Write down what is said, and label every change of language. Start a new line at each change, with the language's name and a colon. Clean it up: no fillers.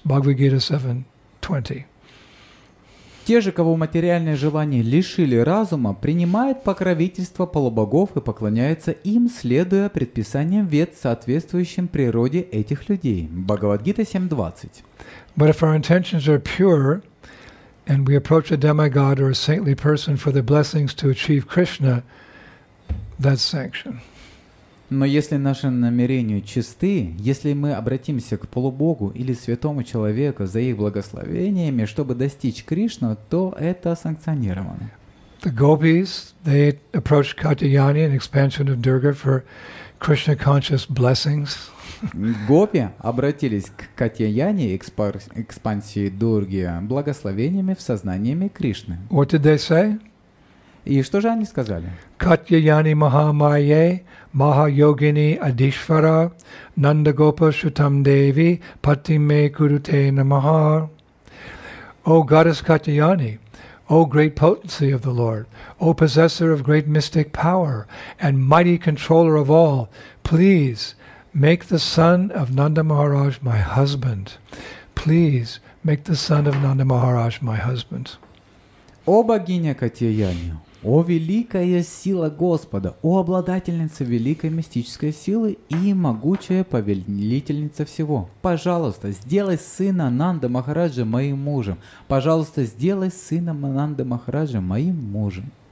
English: Bhagavad Gita 7:20.
Russian: Те же, кого материальные желания лишили разума, принимают покровительство полубогов и поклоняются им, следуя предписаниям вед, соответствующим природе этих людей.
English: Bhagavad Gita 7:20. But if our intentions are pure, and we approach a demigod or a saintly person for the blessings to achieve Krishna, that's sanction.
Russian: Но если наши намерения чисты, если мы обратимся к полубогу или святому человеку за их благословениями, чтобы достичь Кришны, то это санкционировано.
English: the gopis, they approached Katyayani in expansion of Durga for Krishna conscious blessings.
Russian: Гопи обратились к Катьяяне, экспансии Дурги, благословениями в сознаниями Кришны.
English: What did they say?
Russian: И что же они сказали?
Sanskrit: Катьяяни Махамайе, Махайогини Адишвара, Нандагопа Шутам Деви, Патиме Курутэ Намаха.
English: O goddess Katyayani, O great potency of the Lord, O possessor of great mystic power and mighty controller of all, please make the son of Nanda Maharaj my husband. Please make the son of Nanda Maharaj my husband.
Russian: О богиня Катьяяни, о великая сила Господа, о обладательница великой мистической силы и могучая повелительница всего. Пожалуйста, сделай сына Нанда Махараджа моим мужем. Пожалуйста, сделай сына Нанда Махараджа моим мужем.